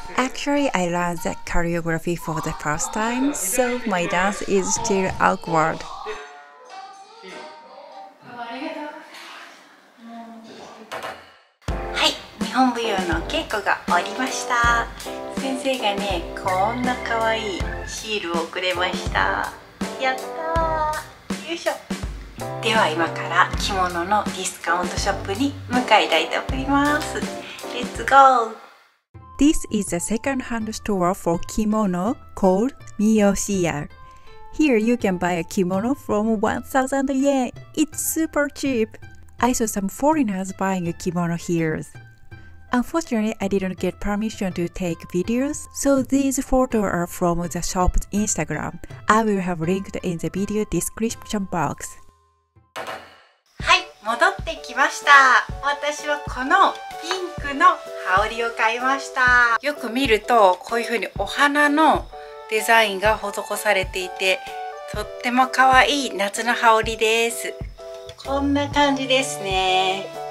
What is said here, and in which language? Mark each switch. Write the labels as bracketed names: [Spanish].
[English] Actually, I learned the choreography for the first time, so my dance is still awkward. [Japanese] はい、日本舞踊の稽古が終わりました。先生がね、こんな可愛いシールをくれました。やったー。よいしょ。では今から着物のディスカウントショップに向かいたいと思います。 [English] Let's go! This is a second-hand store for kimono called Miyoshi-ya. Here you can buy a kimono from 1,000 yen. It's super cheap. I saw some foreigners buying a kimono here. Unfortunately, I didn't get permission to take videos, so these photos are from the shop's Instagram. I will have linked in the video description box. [Japanese] はい、戻ってきました。私はこのピンクの羽織を買いました。よく見るとこういう風にお花のデザインが施されていて、とっても可愛い夏の羽織です。こんな感じですね。